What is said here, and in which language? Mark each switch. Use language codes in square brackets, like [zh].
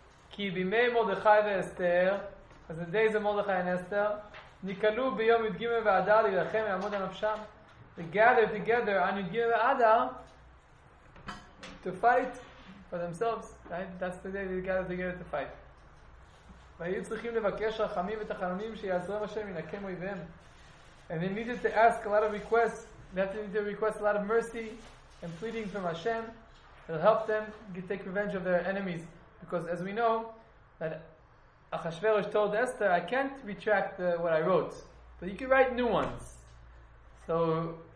[he] כי בימי מרדכי ואסתר, אז [en] the days of מרדכי and Esther, [he] נקלו ביום Yom Kippur להילחם ולעמוד על נפשם. [en] They gathered together on Yom Kippur to fight for themselves. Right? That's the day they gathered together to fight. [he] והיו צריכים לבקש רחמים ותחנונים שיעזרם השם ינקם אויביהם. [en] And they needed to ask a lot of requests. They have to request a lot of mercy and pleading from Hashem. It'll help them take revenge of their enemies. Because as we know, that Achashverosh told Esther, I can't retract what I wrote. But you can write new ones. So